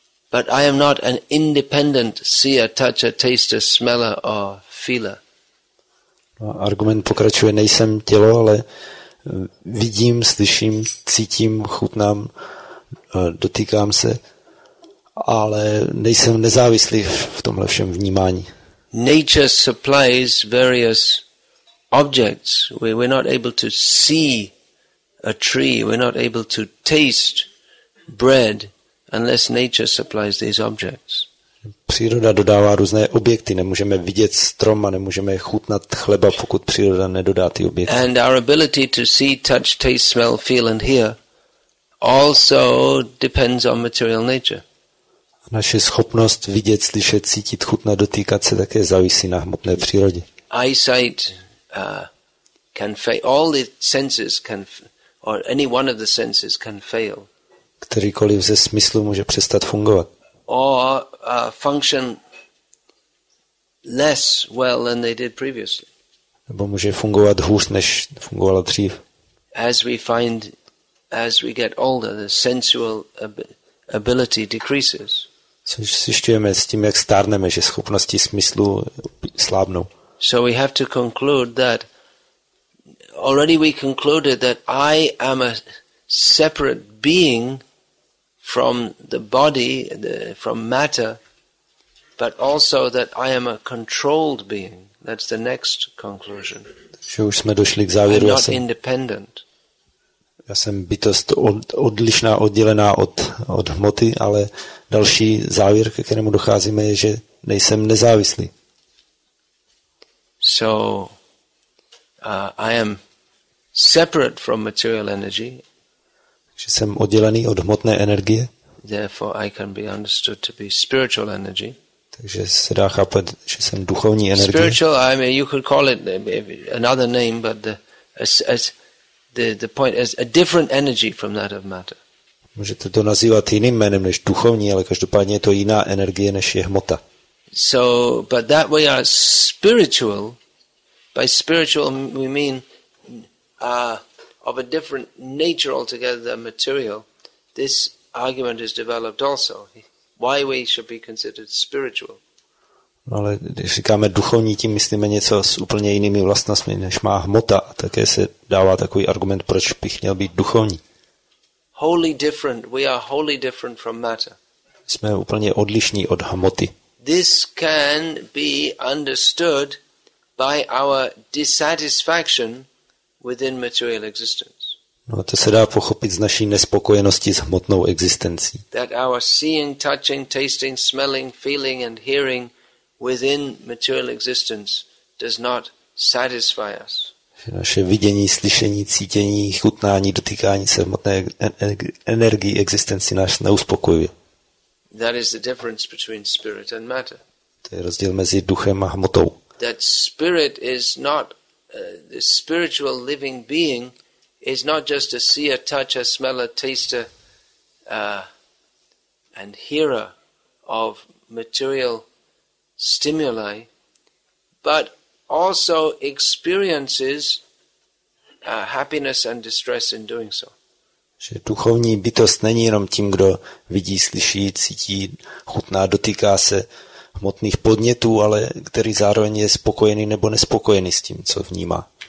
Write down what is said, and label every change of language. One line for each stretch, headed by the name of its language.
English: But I am not an independent seer, toucher, taster, smeller or feeler.
Czech: Argument pokračuje, nejsem tělo, ale vidím, slyším, cítím, chutnám, dotýkám se, ale nejsem nezávislý v tomhle všem vnímání.
English: Nature supplies various objects. We're not able to see a tree, we're not able to taste bread unless nature supplies these objects.
Czech: Příroda dodává různé objekty, nemůžeme vidět strom a nemůžeme chutnat chleba, pokud příroda nedodá ty objekty.
English: And our ability to see, touch, taste, smell, feel and hear also depends on material nature.
Czech: Naše schopnost vidět, slyšet, cítit, chutnat, dotýkat se také závisí na hmotné přírodě.
English: Eyesight can fail, all the senses can or any one of the senses can fail.
Czech: Kterýkoliv ze smyslů může přestat fungovat.
English: Or function less well than they did previously.
Czech: Nebo může fungovat hůř, než fungovala dřív.
English: As we find, as we get older, the sensual ability decreases.
Czech: Což zjišťujeme s tím, jak stárneme, že schopnosti smyslu slábnou.
English: So we have to conclude that already we concluded that I am a separate being from the body, from matter, but also that I am a controlled being. That's the next conclusion.
Czech: Že už jsme došli k závěru.
English: I'm not independent.
Czech: Já jsem bytost odlišná, oddělená od hmoty, ale další závěr, ke kterému docházíme, je, že nejsem nezávislý.
English: So I am separate from material energy.
Czech: Že jsem oddělený od hmotné energie.
English: Therefore I can be understood to be spiritual energy.
Czech: Takže se dá chápat, že jsem duchovní energie.
English: Spiritual, I mean, you could call it another name, but the point is a different energy from that of matter.
Czech: Můžete to nazývat jiným jménem než duchovní, ale každopádně je to jiná energie než je hmota.
English: So, but that we are spiritual. By spiritual we mean of a different nature altogether than material. This argument is developed also. Why we should be considered spiritual?
Czech: No, ale když říkáme duchovní, tím myslíme něco s úplně jinými vlastnostmi, než má hmota. Také se dává takový argument, proč bych měl být duchovní.
English: Wholly different. We are wholly different from matter.
Czech: Jsme úplně odlišní od hmoty.
English: This can be understood by our dissatisfaction within material existence.
Czech: No, to se dá pochopit z naší nespokojenosti s hmotnou existencí.
English: That our seeing, touching, tasting, smelling, feeling and hearing within material existence does not satisfy us.
Czech: Naše vidění, slyšení, cítění, chutnání, dotýkání se hmotné energii existenci nás neuspokojuje.
English: That is the difference between spirit and matter.
Czech: To je rozdíl mezi duchem a hmotou.
English: That spirit is not the spiritual living being is not just a seer, touch, a smeller, taster and hearer of material stimuli, but also experiences happiness and distress in doing so.
Czech: Že duchovní bytost není jenom tím, kdo vidí, slyší, cítí, chutná, dotýká se hmotných podnětů, ale který zároveň je spokojený nebo nespokojený s tím, co vnímá.